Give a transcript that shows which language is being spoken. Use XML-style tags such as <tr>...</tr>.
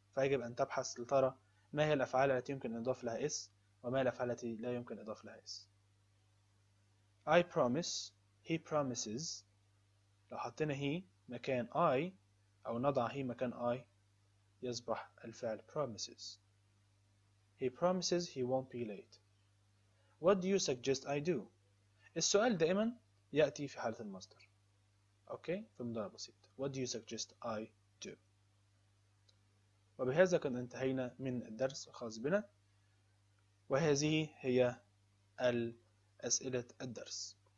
<ar>فيجب أن تبحث لترى ما هي الأفعال التي يمكن أن أضاف لها S وما هي الأفعال التي لا يمكن أن أضاف لها S.</ar> <en>I promise He promises.</en> <ar>لو حطينا he مكان I أو نضع هي مكان I يصبح الفعل promises.</ar> <en>He promises he won't be late. What do you suggest I do?</en> <ar>السؤال دائما يأتي في حالة المصدر. أوكي، في مضارع بسيط.</ar> <en>What do you suggest I do؟</en> <ar>وبهذا كنا انتهينا من الدرس الخاص بنا، وهذه هي الأسئلة الدرس.</ar>